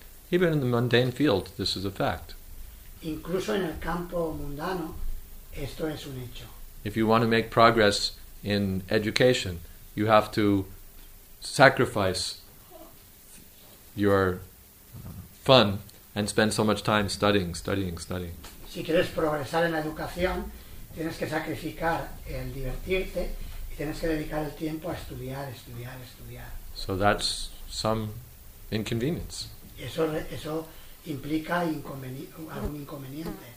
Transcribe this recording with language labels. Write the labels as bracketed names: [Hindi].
[English] Even in the mundane field, this is a fact. [Spanish] Incluso en el campo mundano, esto es un hecho. [English] If you want to make progress in education, you have to sacrifice your fun and spend so much time studying. [Spanish] Si quieres progresar en la educación, tienes que sacrificar el divertirte. Tienes que dedicar el tiempo a estudiar. [English] So that's some inconvenience. [Spanish] Eso implica algún inconveniente.